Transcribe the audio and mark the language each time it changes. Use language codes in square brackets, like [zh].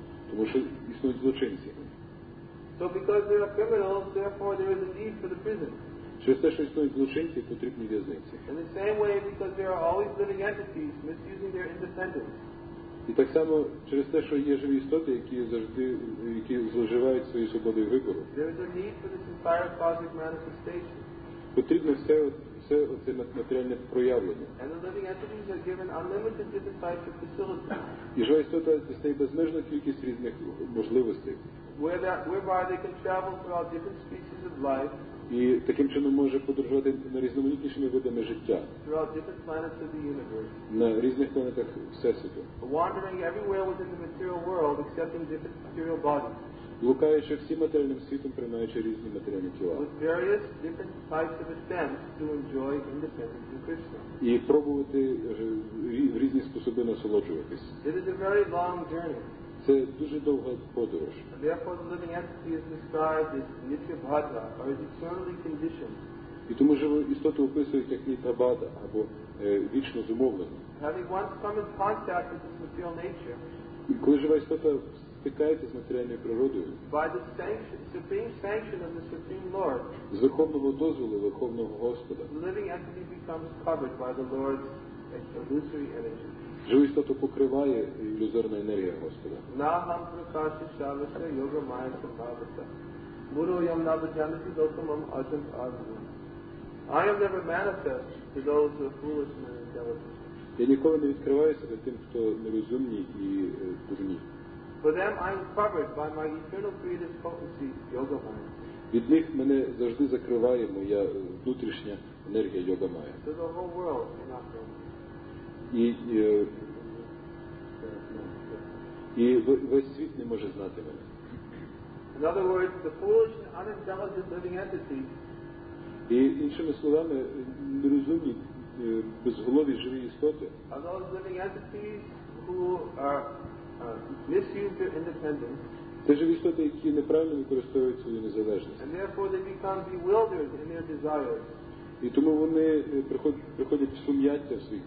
[uk] Тому що існують злочинці. [en] So because there are criminals, therefore there is a need for the prison. [uk] Через те, що існують злочинці, потрібні в'язниці. [en] In the same way, because there are always living entities misusing their independence. [uk] І так само через те, що є живі істоти, які завжди, які зловживають своєю свободою вибору. [en] There is a need for this entire cosmic manifestation. [uk] Потрібно все, все це матеріальне проявлення. [en] And the living entities are given unlimited different types of facilities. [uk] І жива істота дістає безмежну кількість різних можливостей. [en] Whereby they can travel throughout different species of life. [uk] І таким чином може подорожувати на різноманітнішими видами життя. [en] Throughout different planets of the universe. [uk] На різних планетах Всесвіту. [en] Wandering everywhere within the material world, except in different material bodies. [uk] Блукаючи всім матеріальним світом, приймаючи різні матеріальні тіла. [en] With various different types of attempts to enjoy independence in Krishna. [uk] І пробувати в різні способи насолоджуватись. [en] It is a very long journey. [uk] Це дуже довга подорож. [en] Therefore, the living entity is described as Nityabhadra, or is eternally conditioned. [uk] І тому живу істоту описують як Нітабада, або вічно зумовлену. [en] Having once come in contact with this material nature, [uk] і коли жива істота стикається з матеріальною природою, [en] by the sanction, supreme sanction of the Supreme Lord, [uk] з Верховного дозволу Верховного Господа, [en] the living entity becomes covered by the Lord's illusory energy. [uk] Живу істоту покриває ілюзорна енергія Господа. Нагам прокаші шалася йога має сабхавата. Буру ям набаджанасі досамам ажан азву. [en] I am never manifest to those who are foolish and intelligent. [uk] Я ніколи не відкриваю себе тим, хто нерозумні і дурні. [en] For them I am covered by my eternal creative potency, йога має. [uk] Від них мене завжди закриває моя внутрішня енергія йога має. [en] So the whole world cannot know me. [uk] І весь світ не може знати мене. [en] In other words, the foolish and unintelligent living entity. [uk] І іншими словами, нерозумні, безголові живі істоти. [en] Are those living entities who are misuse their independence. [uk] Це живі істоти, які неправильно використовують свою незалежність. [en] And therefore they become bewildered in their desires. [uk] І тому вони приходять в сум'яття в своїх